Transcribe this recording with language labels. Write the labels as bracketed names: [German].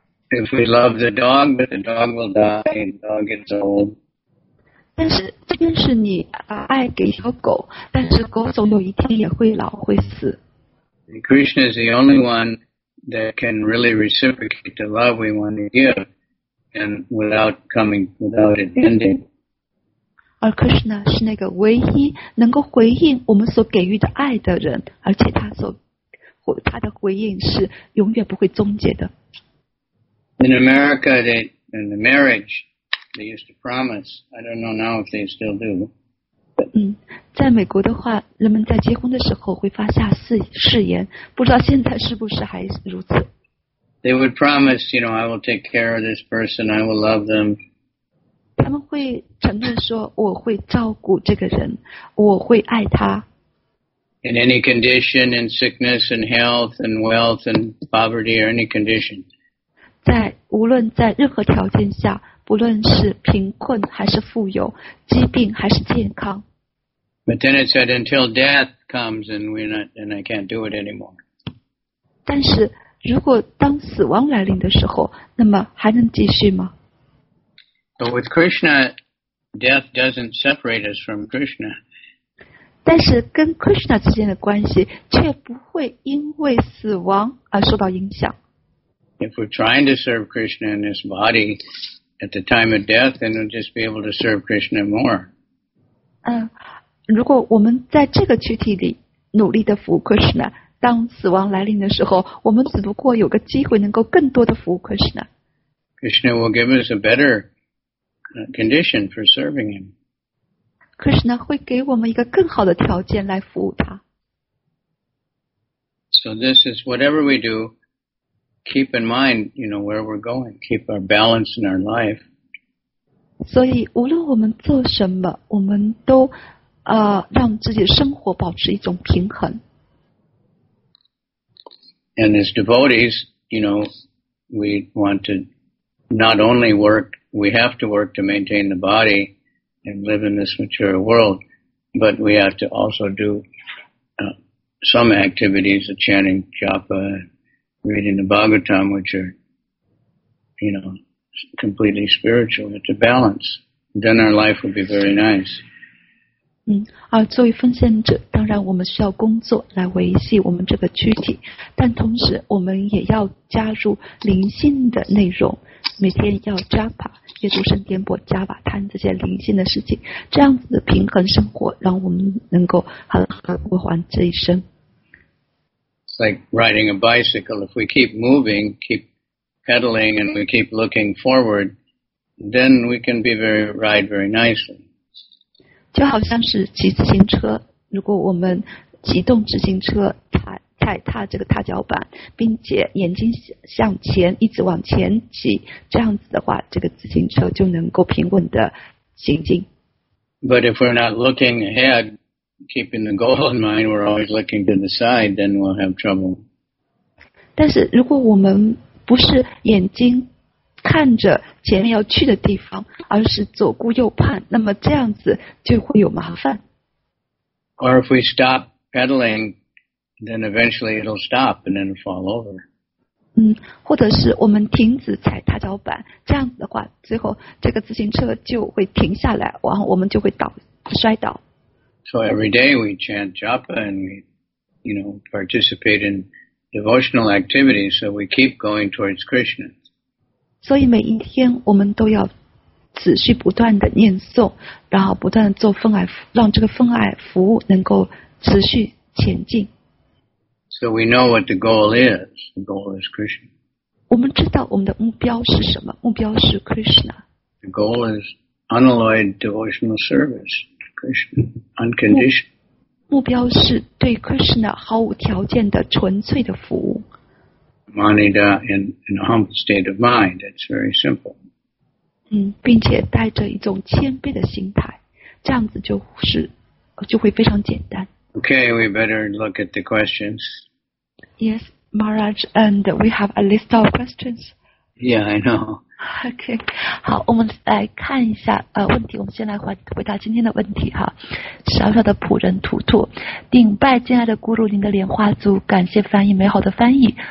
[English] If we love the dog, but the dog will die, the dog gets old. [Chinese] 但是这边是你爱给小狗，但是狗总有一天也会老会死。 [English] Krishna is the only one that can really reciprocate the love we want to give, and without coming, without it ending. [Chinese] 而 Krishna 是那个唯一能够回应我们所给予的爱的人，而且他的回应是永远不会终结的。 [English] In America, in the marriage, they used to promise. I don't know now if they still do. [Chinese] 在美国的话，人们在结婚的时候会发下誓言，不知道现在是不是还如此。 [English] They would promise, you know, I will take care of this person, I will love them. [Chinese] 他们会承诺说，我会照顾这个人，我会爱他。 [English] In any condition, in sickness, in health, in wealth, in poverty, or any condition. [Chinese] 在无论在任何条件下，不论是贫困还是富有，疾病还是健康。 [English] But then it said, until death comes and we're not, and I can't do it anymore. [Chinese] 但是如果当死亡来临的时候，那么还能继续吗？ [English] But with Krishna, death doesn't separate us from Krishna. [Chinese] 但是跟 Krishna 之间的关系却不会因为死亡而受到影响。 [English] If we're trying to serve Krishna in this body at the time of death, then we'll just be able to serve Krishna more. [Chinese] 如果我们在这个躯体里努力的服务 Krishna, 当死亡来临的时候，我们只不过有个机会能够更多的服务 Krishna. [English] Krishna will give us a better condition for serving him. [Chinese] Krishna 会给我们一个更好的条件来服务他。 [English] So this is whatever we do, keep in mind, you know, where we're going. Keep our balance in our life. [Chinese] 所以无论我们做什么，我们都让自己的生活保持一种平衡。 [English] And as devotees, you know, we want to not only work, we have to work to maintain the body and live in this material world, but we have to also do some activities of chanting japa, reading the Bhagavatam, which are, you know, completely spiritual. It's a balance. Then our life would be very nice. [Chinese] 作为奉献者，当然我们需要工作来维系我们这个躯体，但同时我们也要加入灵性的内容，每天要 japa 阅读圣殿钵加瓦坛这些灵性的事情，这样子的平衡生活让我们能够很好过完这一生。 [English] It's like riding a bicycle. If we keep moving, keep pedaling, and we keep looking forward, then we can be very ride very nicely. [Chinese] 就好像是骑自行车，如果我们启动自行车踏这个踏脚板，并且眼睛向前一直往前挤，这样子的话，这个自行车就能够平稳的行进。 [English] But if we're not looking ahead, keeping the goal in mind, we're always looking to the side, then we'll have trouble. [Chinese] 但是如果我们不是眼睛看着前面要去的地方，而是左顾右盼，那么这样子就会有麻烦。 [English] Or if we stop pedaling, then eventually it'll stop and then fall over. [Chinese] 或者是我们停止踩踏脚板，这样子的话，最后这个自行车就会停下来，然后我们就会摔倒。 [English] So every day we chant japa and we, you know, participate in devotional activities, so we keep going towards Krishna. [Chinese] 所以每一天我们都要持续不断的念诵，然后不断的做分爱，让这个分爱服务能够持续前进。 [English] So we know what the goal is. The goal is Krishna. [Chinese] 我们知道我们的目标是什么？目标是 Krishna. [English] The goal is unalloyed devotional service to Krishna, unconditional. [Chinese] 目标是对 Krishna 毫无条件的纯粹的服务。 [English] Manida in a humble state of mind. It's very simple. [Chinese] 并且带着一种谦卑的心态，这样子就会非常简单。 [English] Okay, we better look at the questions. Yes, Maharaj, and we have a list of questions. Yeah, I know. [Chinese] Okay, 好，我们来看一下问题。我们先来回答今天的问题哈。小小的仆人图图，顶拜敬爱的咕噜，您的莲花族，感谢翻译美好的翻译。